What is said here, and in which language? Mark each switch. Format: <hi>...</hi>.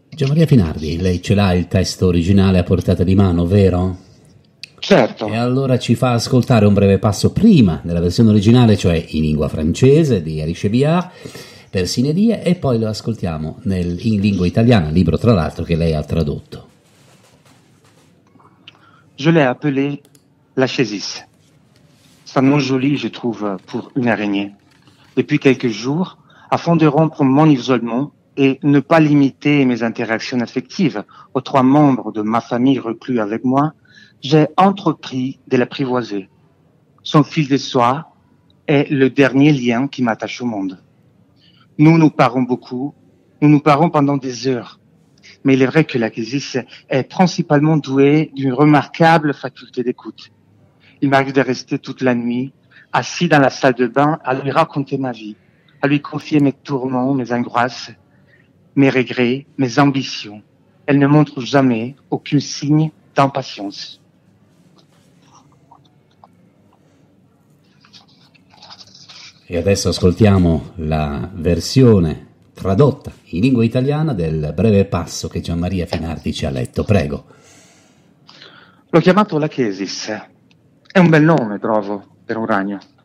<it>Gian Maria Finardi, lei ce l'ha il testo originale a portata di mano, vero? Certo. E allora ci fa ascoltare un breve passo prima della versione originale, cioè in lingua francese, di Alice Biard, per Sine Die, e poi lo ascoltiamo in lingua italiana, libro tra l'altro che lei ha tradotto.</it> <fr>Je l'ai appelé la chaisis. C'est un nom joli, je trouve, pour une araignée. Depuis quelques jours, afin de rompre mon isolement et ne pas limiter mes interactions affectives aux trois membres de ma famille reclus avec moi, j'ai entrepris de l'apprivoiser. Son fil de soie est le dernier lien qui m'attache au monde. Nous parlons beaucoup, nous nous parlons pendant des heures. Mais il est vrai que la chaisis est principalement douée d'une remarquable faculté d'écoute. Il m'arrive de rester toute la nuit, assis dans la salle de bain, à lui raconter ma vie, à lui confier mes tourments, mes angoisses, mes regrets, mes ambitions. Elle ne montre jamais aucun signe d'impatience.</fr> <it>E adesso ascoltiamo la versione tradotta in lingua italiana del breve passo che Gian Maria Finardi ci ha letto. Prego. L'ho chiamato la chaisis. È un bel nome, trovo, per un ragno.</it>